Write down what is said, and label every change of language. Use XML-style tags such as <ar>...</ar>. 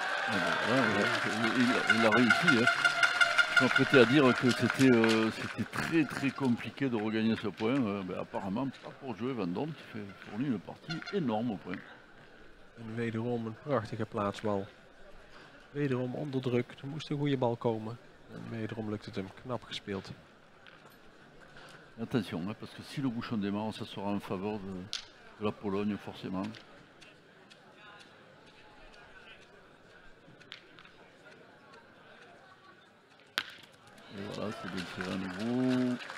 <fr>Il a réussi. Hein. Je m'apprêtais à dire que c'était très très compliqué de regagner ce point. Mais apparemment, pas pour jouer Van Dorn, qui fait pour lui une partie énorme au point.</fr> <nl>En wederom een prachtige plaatsbal. Wederom onder druk, er moest een goede bal komen. En wederom lukt het hem knap gespeeld.</nl> <fr>Attention, hein, parce que si le bouchon démarre, ça sera en faveur de la Pologne, forcément. Et voilà, c'est bien tiré à nouveau.</fr>